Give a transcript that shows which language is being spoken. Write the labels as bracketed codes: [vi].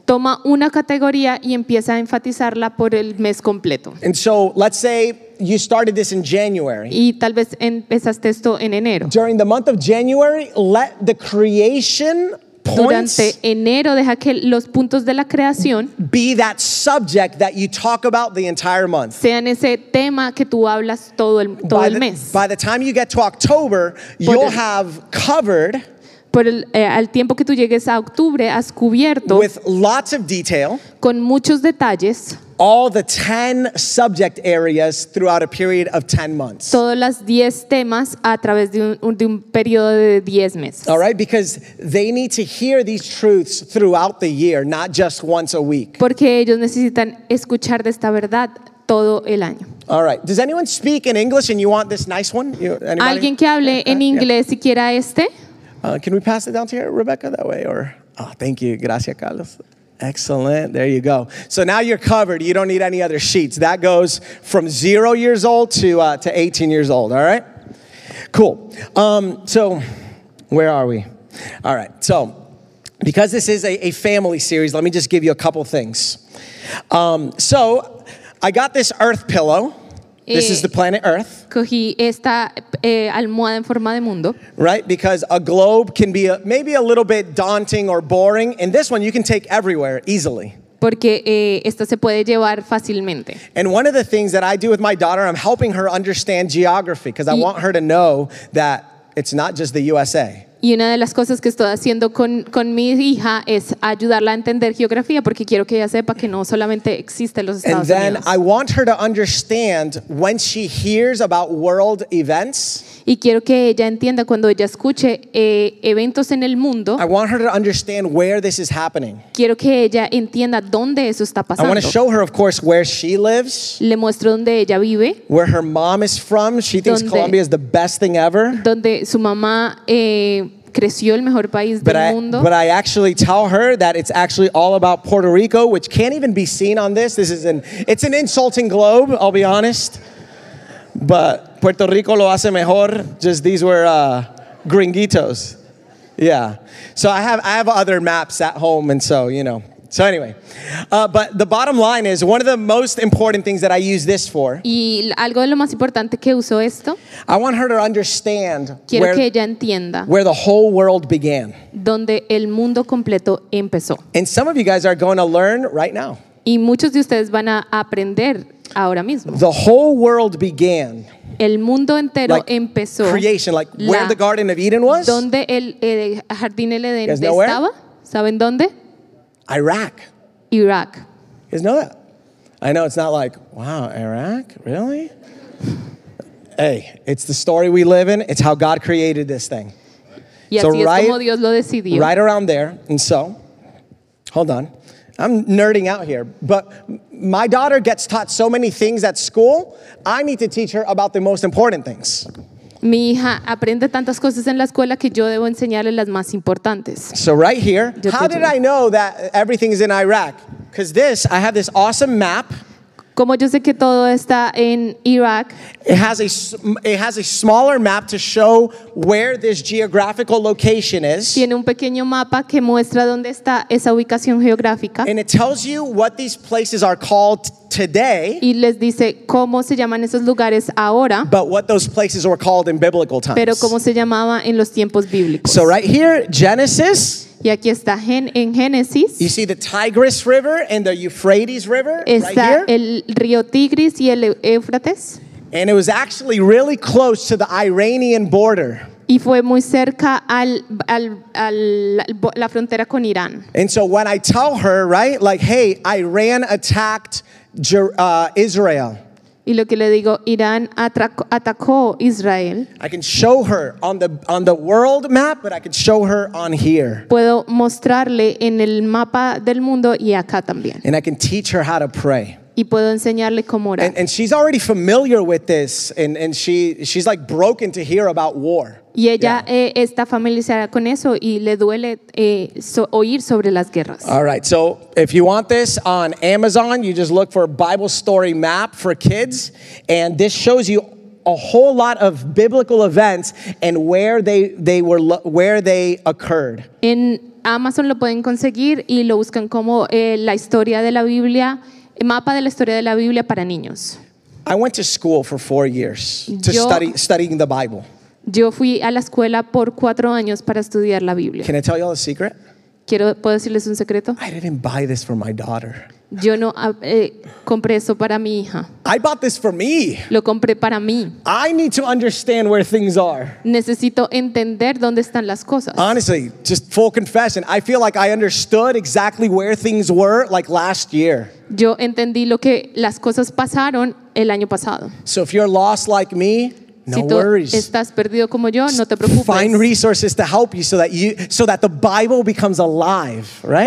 [es] Toma una categoría y empieza a enfatizarla por el mes completo. [en] And so, let's say you started this in January. [es] Y tal vez empezaste esto en enero. [en] During the month of January, let the creation points [es] durante enero, deja que los puntos de la creación [en] be that subject that you talk about the entire month. [es] Sean ese tema que tú hablas todo el mes. [en] By the time you get to October, you'll have covered [es] Al tiempo que tú llegues a octubre, has cubierto [en] with lots of detail, [es] con muchos detalles [en] all the 10 subject areas throughout a period of 10 months. [es] Todos los 10 temas a través de un periodo de 10 meses. [en] All right, because they need to hear these truths throughout the year, not just once a week. [es] Porque ellos necesitan escuchar de esta verdad todo el año. [en] All right. Does anyone speak in English and you want this nice one? Anybody? [es] ¿Alguien que hable en inglés si quiera este? [en] Can we pass it down to you, Rebecca, that way? Or, oh, thank you. Gracias, Carlos. Excellent. There you go. So now you're covered. You don't need any other sheets. That goes from 0 years old to 18 years old. All right? Cool. So where are we? All right. So because this is a family series, let me just give you a couple things. So I got this earth pillow. This is the planet Earth. [es] Cogí esta almohada en forma de mundo. [en] Right, because a globe can be maybe a little bit daunting or boring, and this one you can take everywhere easily. [es] Porque esta se puede llevar fácilmente. [en] And one of the things that I do with my daughter, I'm helping her understand geography because I want her to know that it's not just the USA. [es] Y una de las cosas que estoy haciendo con mi hija es ayudarla a entender geografía porque quiero que ella sepa que no solamente existen los Estados [en] Unidos. And then I want her to understand when she hears about world events. [es] Y quiero que ella entienda cuando ella escuche eventos en el mundo. [en] I want her to understand where this is happening. [es] Quiero que ella entienda dónde eso está pasando. [en] I want to show her, of course, where she lives. [es] Le muestro dónde ella vive. [en] Where her mom is from. She thinks Colombia is the best thing ever. [es] Donde su mamá creció el mejor país [en] but [es] del [en] I, [es] mundo. [en] But I actually tell her that it's actually all about Puerto Rico, which can't even be seen on this. This is an, it's an insulting globe, I'll be honest. But Puerto Rico [es] lo hace mejor. [en] Just these were gringuitos. Yeah. So I have other maps at home, and so, you know. So anyway, but the bottom line is one of the most important things that I use this for. [es] Y algo de lo más importante que uso esto. [en] I want her to understand [es] quiero [en] where, [es] que ella entienda [en] where the whole world began. [es] Donde el mundo completo empezó. [en] And some of you guys are going to learn right now. [es] Y muchos de ustedes van a aprender ahora mismo. [en] The whole world began. [es] El mundo entero [en] like [es] empezó. [en] Creation, like la, where the Garden of Eden was. [es] Donde el jardín del Edén estaba. ¿Saben dónde? [en] Iraq. [es] Iraq. [en] You guys know that? I know it's not like, wow, Iraq? Really? Hey, it's the story we live in. It's how God created this thing. [es] Y así [en] so right, [es] es como Dios lo decidió. [en] Right around there. And so, hold on. I'm nerding out here. But my daughter gets taught so many things at school, I need to teach her about the most important things. [es] Mi hija aprende tantas cosas en la escuela que yo debo enseñarle las más importantes. [en] So right here, how did I know that everything is in Iraq? Because this, I have this awesome map. [es] Como yo sé que todo está en Iraq. [en] It has a smaller map to show where this geographical location is. [es] Tiene un pequeño mapa que muestra dónde está esa ubicación geográfica. [en] And it tells you what these places are called today. [es] Y les dice cómo se llaman esos lugares ahora. [en] But what those places were called in biblical times. [es] Pero cómo se llamaba en los tiempos bíblicos. [en] So right here, Genesis. [es] Y aquí está en Génesis. [en] You see the Tigris River and the Euphrates River [es] está [en] right here. [es] El río Tigris y el Éufrates. [en] And it was actually really close to the Iranian border. [es] Y fue muy cerca al la frontera con Irán. [en] And so when I tell her, right, like, hey, Iran attacked Israel. [es] Y lo que le digo, Irán atacó Israel. [en] I can show her on the world map, but I can show her on here. [es] Puedo mostrarle en el mapa del mundo y acá también. [en] And I can teach her how to pray. [es] Y puedo enseñarle cómo orar. [en] And she's already familiar with this, and she's like broken to hear about war. [es] Y ella está familiarizada con eso y le duele oír sobre las guerras. [en] All right, so if you want this on Amazon, you just look for Bible Story Map for Kids, and this shows you a whole lot of biblical events and where they occurred. [es] En Amazon lo pueden conseguir y lo buscan como la historia de la Biblia, el mapa de la historia de la Biblia para niños. [en] I went to school for 4 years to studying the Bible. [es] Yo fui a la escuela por 4 años para estudiar la Biblia. [en] Can I tell y'all a secret? [es] ¿Puedo decirles un secreto? [en] I didn't buy this for my daughter. [es] Yo no compré eso para mi hija. [en] I bought this for me. [es] Lo compré para mí. [en] I need to understand where things are. [es] Necesito entender dónde están las cosas. [en] Honestly, just full confession, I feel like I understood exactly where things were like last year. [es] Yo entendí lo que las cosas pasaron el año pasado. [en] So if you're lost like me, [es] si [en] no worries. [es] Estás perdido como yo, no te preocupes. [en] Find resources to help you so that the Bible becomes alive, right?